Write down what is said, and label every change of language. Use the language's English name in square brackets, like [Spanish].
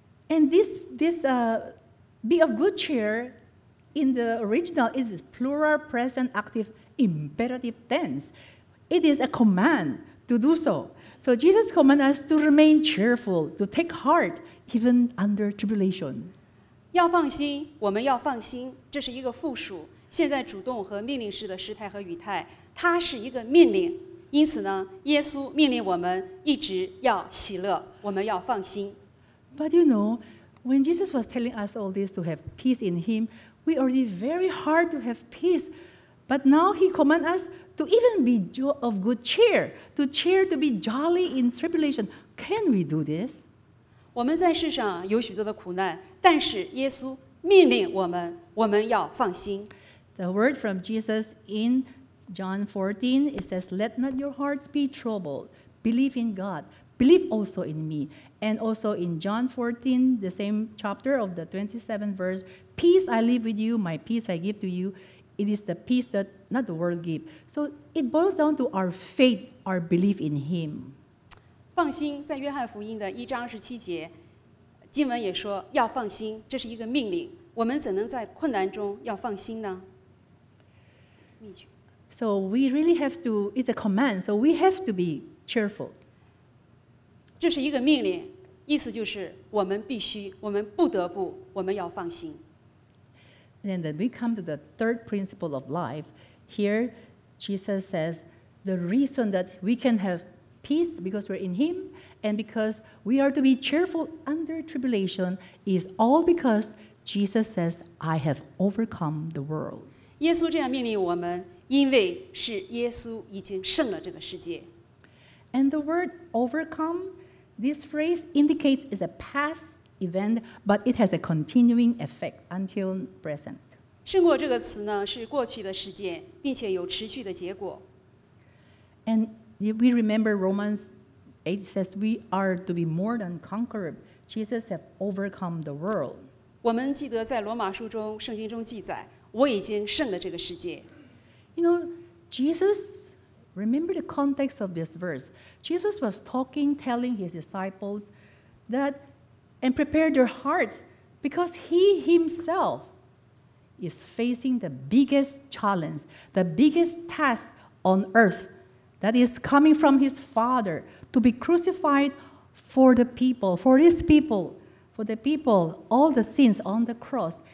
[English] And this be of good cheer in the original is plural present active imperative tense. It is a command to do so. So Jesus commands us to remain cheerful, to take heart even under tribulation. [Chinese] 要放心，我们要放心，这是一个复数。现在主动和命令式的时态和语态，它是一个命令。因此呢，耶稣命令我们一直要喜乐，我们要放心。 [English] But you know, when Jesus was telling us all this to have peace in Him, we already very hard to have peace. But now He commands us to even be of good cheer, to cheer, to be jolly in tribulation. Can we do this? [Chinese] 我们在世上有许多的苦难，但是耶稣命令我们，我们要放心。 [English] The word from Jesus in John 14, it says, Let not your hearts be troubled. Believe in God. Believe also in me. And also in John 14, the same chapter of the 27th verse, Peace I leave with you, my peace I give to you. It is the peace that not the world gives. So it boils down to our faith, our belief in Him. [Chinese] 放心，在约翰福音的一章十七节，经文也说要放心，这是一个命令。我们怎能在困难中要放心呢？ [English] So we really have to, it's a command, so we have to be cheerful. [Chinese] 这是一个命令，意思就是我们必须，我们不得不，我们要放心。 [English] And then we come to the third principle of life. Here, Jesus says, the reason that we can have peace because we're in Him and because we are to be cheerful under tribulation is all because Jesus says, I have overcome the world. [Chinese] 耶稣这样命令我们，因为是耶稣已经胜了这个世界。 [English] And the word overcome, this phrase indicates is a past event, but it has a continuing effect until present. [Chinese] 胜过这个词呢，是过去的事件，并且有持续的结果。 [English] And we remember Romans 8 says we are to be more than conquerors. Jesus has overcome the world. [Chinese] 我们记得在罗马书中，圣经中记载，我已经胜了这个世界。 [English] You know, Jesus, remember the context of this verse. Jesus was talking, telling his disciples that and prepared their hearts because he himself is facing the biggest challenge, the biggest task on earth that is coming from his Father to be crucified for the people, for his people, for the people, all the sins on the cross.